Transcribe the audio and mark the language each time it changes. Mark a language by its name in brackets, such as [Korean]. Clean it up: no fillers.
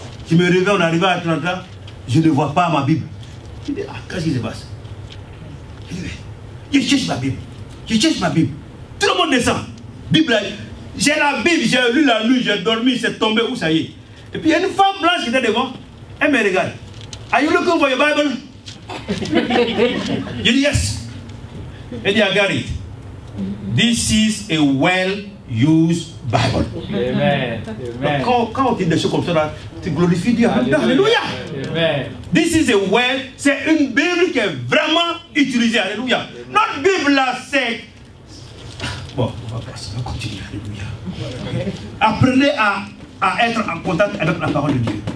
[French] Je me réveille, on arrive à Atlanta. Je ne vois pas ma Bible. Je dis, ah, qu'est-ce qui se passe? Je cherche ma Bible. Je cherche ma Bible. Tout le monde descend. Bible, j'ai la Bible, j'ai lu la nuit, j'ai dormi, c'est tombé, où ça y est? Et puis, il y a une femme blanche qui était devant. Elle me regarde. [English] Are you looking for your Bible? [French] Je dis, [English] yes. [French] Elle dit, [English] I got it. This is a well-used Bible. [French] Amen. Amen. Donc, quand on dit des choses comme ça, tu glorifies Dieu. Alléluia. Amen. [English] This is a well, [French] c'est une Bible qui est vraiment utilisée. Alléluia. Amen. Notre Bible là, c'est... Bon, on va passer, on va continuer. Alléluia. Amen. Apprenez à être en contact avec la parole de Dieu.